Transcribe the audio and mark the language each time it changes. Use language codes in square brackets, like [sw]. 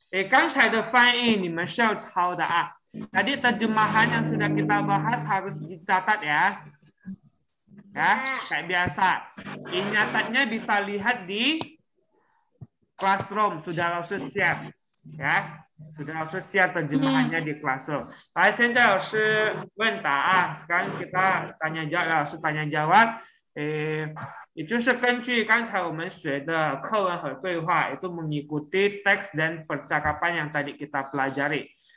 [zh] 刚才的翻译你们是要抄的啊。 [id] Tadi terjemahan yang sudah kita bahas harus dicatat ya. Ya, kayak biasa. Ingatannya bisa lihat di classroom sudah langsung siap. Ya, sudah langsung siap terjemahannya di classroom. Baik, sekarang [zh] 老师问答啊。 [id] Sekarang kita tanya jawab, 老师tanya jawab. [zh] 也就是根据刚才我们学的课文和对话，也就 [id] mengikuti teks dan percakapan yang tadi kita pelajari。